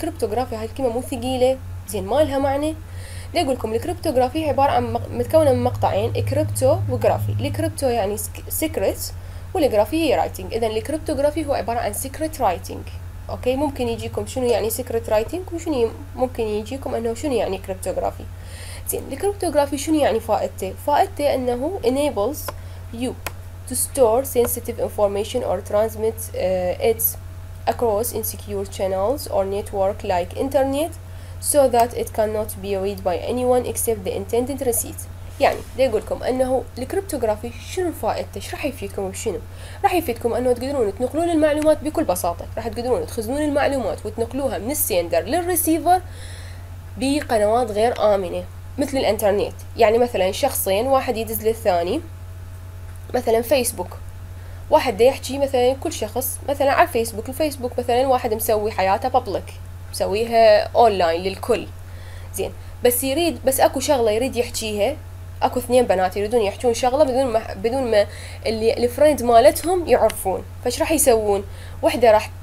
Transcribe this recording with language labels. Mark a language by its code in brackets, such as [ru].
[ar] كريبتوغرافي هاي الكلمه مو ثقيله زين، ما لها معنى. دي اقول لكم الكريبتوغرافي عباره عن متكونه من مقطعين، كريبتو وجرافي. الكريبتو يعني سيكريت، والجرافي هي رايتنج. اذا الكريبتوغرافي هو عباره عن سيكريت رايتنج. اوكي، ممكن يجيكم شنو يعني سيكريت رايتنج، وشنو ممكن يجيكم انه شنو يعني كريبتوغرافي. زين، الكريبتوغرافي شنو يعني فائدته؟ فائدته انه [en] enables you to store sensitive information or transmit it across insecure channels or network like internet so that it cannot be read by anyone except the intended receipt. [ar] يعني دي اقول لكم انه الكريبتوغرافي شنو فائدته، ايش راح يفيدكم، وشنو راح يفيدكم انه تقدرون تنقلون المعلومات بكل بساطه. راح تقدرون تخزنون المعلومات وتنقلوها من السيندر للريسيفر بقنوات غير امنه مثل الانترنت. يعني مثلا شخصين، واحد يدز للثاني مثلا فيسبوك، واحد ده يحكي مثلا كل شخص مثلا على فيسبوك، الفيسبوك مثلا واحد مسوي حياته بابليك، مسويها اونلاين للكل زين، بس يريد، بس اكو شغله يريد يحكيها، اكو اثنين بنات يريدون يحكون شغله بدون ما اللي الفريند مالتهم يعرفون، فايش راح يسوون؟ وحده